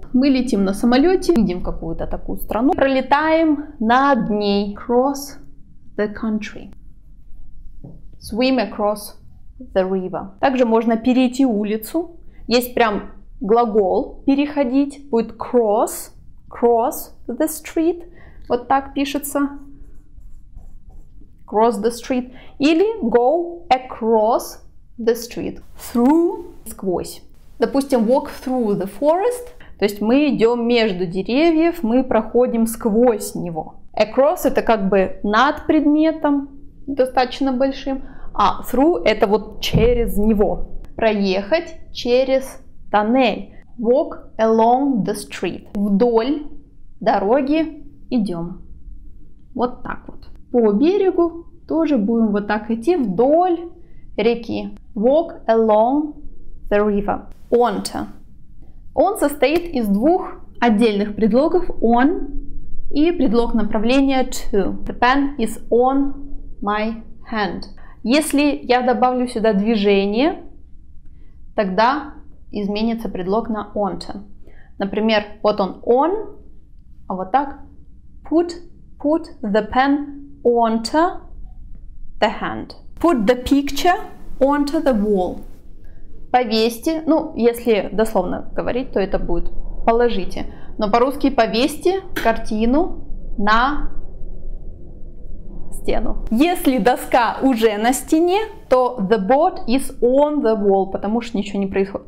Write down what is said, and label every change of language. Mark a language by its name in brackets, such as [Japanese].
[Russian] Мы летим на самолете, видим какую-то такую страну, пролетаем над ней. [English] Cross the country. Swim across the river. [Russian] Также можно перейти улицу. Есть прям глагол переходить. [English] Будет cross, cross the street. [Russian] Вот так пишется. [English] Cross the street. Или go across the street. Through, сквозь. [Russian] Допустим, [English] walk through the forest. [Russian] То есть мы идем между деревьев, мы проходим сквозь него. Across — это как бы над предметом, достаточно большим. А through — это вот через него. Проехать через тоннель. [English] Walk along the street. [Russian] Вдоль дороги идем. Вот так вот. По берегу тоже будем вот так идти вдоль реки. [English] Walk along the river. Onto. [Russian] Он состоит из двух отдельных предлогов on и предлог направления to. [English] The pen is on my hand. [Russian] Если я добавлю сюда движение, тогда изменится предлог на onto. Например, вот он [English] on, [Russian] а вот так [English] put the pen onto the hand. Put the picture onto the wall. [Russian] Повесьте, ну, если дословно говорить, то это будет положите. Но по-русски повесьте картину на стену. Если доска уже на стене, то [English] the board is on the wall, [Russian] потому что ничего не происходит.